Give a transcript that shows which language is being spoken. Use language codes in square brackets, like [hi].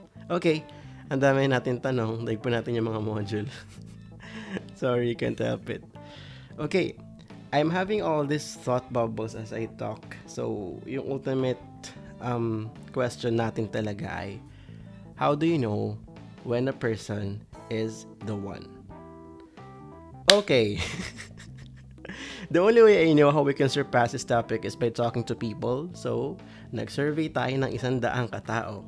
[tl] Okay, ang dami natin tanong. Daig po natin yung mga module. [en] Sorry, can't help it. Okay, I'm having all these thought bubbles as I talk. So, [tl] yung ultimate question natin talaga ay, [en] how do you know when a person is the one? Okay. The only way I know how we can surpass this topic is by talking to people. [tl] So, nag-survey tayo ng 100 katao.